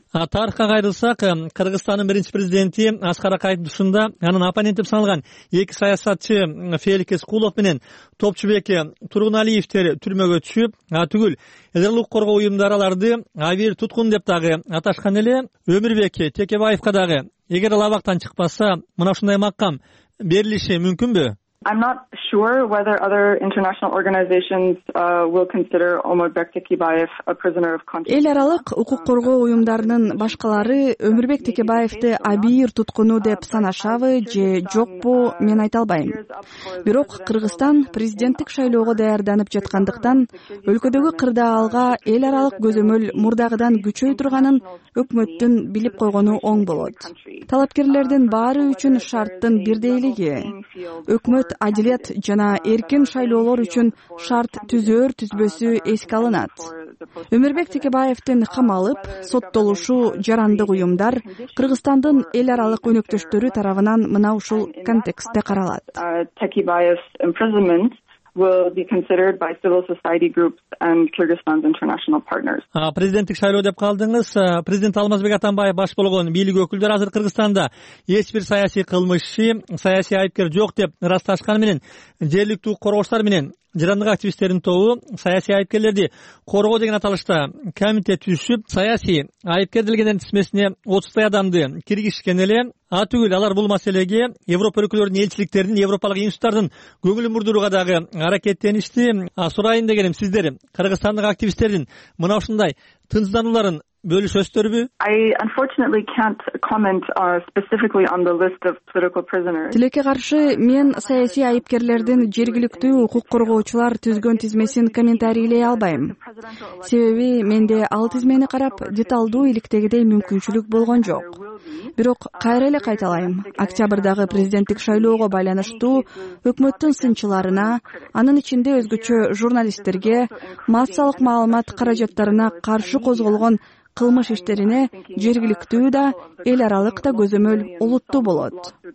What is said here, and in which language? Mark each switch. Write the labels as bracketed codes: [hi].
[ky] Тарыхка кайрылсак, Кыргызстандын биринчи президенти Аскар Акаевдин тушунда анын оппоненти деп саналган эки саясатчы Феликс Кулов менен Топчубек Тургуналиевдер түрмөгө түшүп, түгүл эл аралык коргоо уюмдары аларды абийир туткун деп дагы аташкан эле. Өмүрбек Текебаевка дагы эгер лабактан чыкпаса мына ушундай макам берилиши мүмкүнбү? [en] I'm not sure whether other international organizations will consider Omar Bek Tekebayev a prisoner of conscience. [ky] Эл аралык укук коргоо уюмдарынын башкалары Өмүрбек Текебаевди абийир туткуну деп санашабы же жокпу, мен айта албайм. Бирок Кыргызстан президенттик шайлоого даярданып жаткандыктан өлкөдөгү кырдаалга эл аралык көзөмөл мурдагыдан күчөй турганын өкмөттүн билип койгону оң болот. Талапкерлердин баары үчүн шарттын бирдейлиги. Өкмөт адилет жана эркин шайлоолор үчүн шарт түзөр түзбөсү эске алынат. Өмүрбек Текебаевдин камалып, соттолушу жарандык уюмдар Кыргызстандын эл аралык өнөктөштөрү тарабынан мына ушул контекстте каралат. [en] Текебаев's imprisonment will be considered by civil society groups and Kyrgyzstan's international partners. [ky] Президенттик шайлоо деп калдыңыз. Президент Алмазбек Атамбаев баш болгон бийлик өкүлдөрү азыр Кыргызстанда эч бир саясий кылмышы, саясий айыпкер жок деп ырасташканы менен жергиликтүү коргоочулар менен жарандык активисттердин тобу саясий айыпкерлерди коргоо деген аталышта комитет түзүшүп, саясий айыпкер делгендердин тизмесине 30 адамды киргизишкен эле. Атүгүл алар бул маселеге Европа өлкөлөрүнүн элчиликтеринин, Европалык институттардын көңүлүн бурдурууга дагы аракеттеништи. Сурайын дегеним, сиздер кыргызстандык активисттердин мына ушундай тынчсызданууларын бөлүшөсүздөрбү? [en] I unfortunately can't comment specifically on the list of political prisoners. [ky] Тилекке каршы мен саясий айыпкерлердин жергиликтүү укук коргоочулар түзгөн тизмесин комментарийлей албайм. Себеби менде ал тизмени карап деталдуу иликтегидей мүмкүнчүлүк болгон жок. Бирок кайра эле кайталайм. Октябрдагы президенттик шайлоого байланыштуу өкмөттүн сынчыларына, анын ичинде өзгөчө журналисттерге, массалык маалымат каражаттарына каршы козголгон кылмыш иштерине жергиликтүү да, эл аралык да көзөмөл улуттуу болот.